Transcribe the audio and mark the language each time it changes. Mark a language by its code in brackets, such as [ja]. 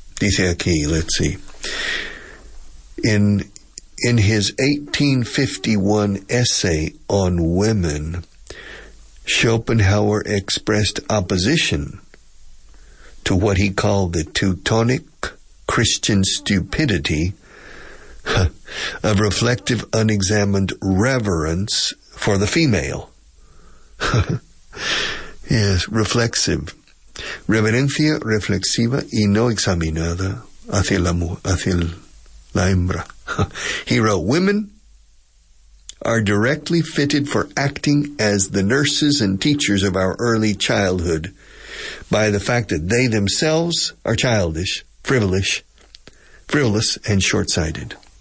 [es] Dice aquí, [en] let's see. In his 1851 essay on women, Schopenhauer expressed opposition to what he called the Teutonic Christian stupidity of reflective, unexamined reverence for the female. Yes, reflexive. [es] Reverencia reflexiva y no examinada hacia la hembra. [en] He wrote, women are directly fitted for acting as the nurses and teachers of our early childhood by the fact that they themselves are childish, frivolous, and short-sighted.